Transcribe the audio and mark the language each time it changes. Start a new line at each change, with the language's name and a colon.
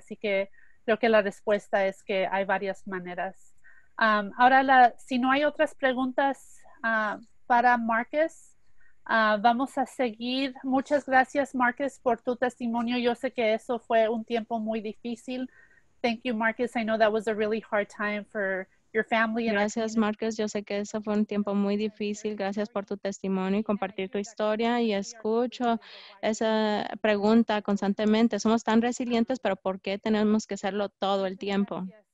Spanish: Así que creo que la respuesta es que hay varias maneras. Ahora, si no hay otras preguntas para Marcus, vamos a seguir. Muchas gracias, Marcus, por tu testimonio. Yo sé que eso fue un tiempo muy difícil.
English: Thank you, Marcus. I know that was a really hard time for your family.
Spanish: Gracias, Marcus. Yo sé que eso fue un tiempo muy difícil. Gracias por tu testimonio y compartir tu historia. Y escucho esa pregunta constantemente. Somos tan resilientes, pero ¿por qué tenemos que hacerlo todo el tiempo?